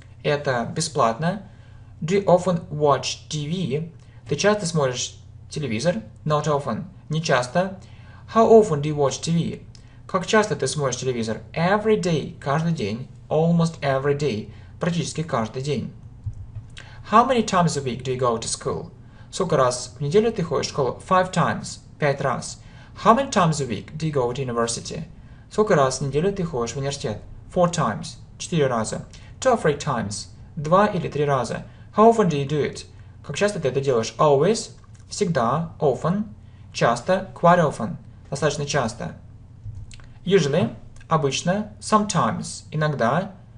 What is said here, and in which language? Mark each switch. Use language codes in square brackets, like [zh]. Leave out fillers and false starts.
[ru] Это бесплатно. [en] Do you often watch TV? [ru] Ты часто смотришь телевизор? [en] Not often. [ru] Не часто. [en] How often do you watch TV? [ru] Как часто ты смотришь телевизор? [en] Every day. [ru] Каждый день. [en] Almost every day. [ru] Практически каждый день. [en] How many times a week do you go to school? [ru] Сколько раз в неделю ты ходишь в школу? [en] 5 times. [ru] 5 раз. [en] How many times a week do you go to university? [ru] Сколько раз в неделю ты ходишь в университет? [en] 4 times. [ru] 4 раза. [en] 2 or 3 times. [ru] 2 или 3 раза. [en] How often do you do it? [ru] Как часто ты это делаешь? [en] Always. [ru] Всегда. [en] Often. [ru] Часто. [en] Quite often. [ru] Достаточно часто. [en] Usually. [ru] Обычно. [en] Sometimes. [ru] Иногда.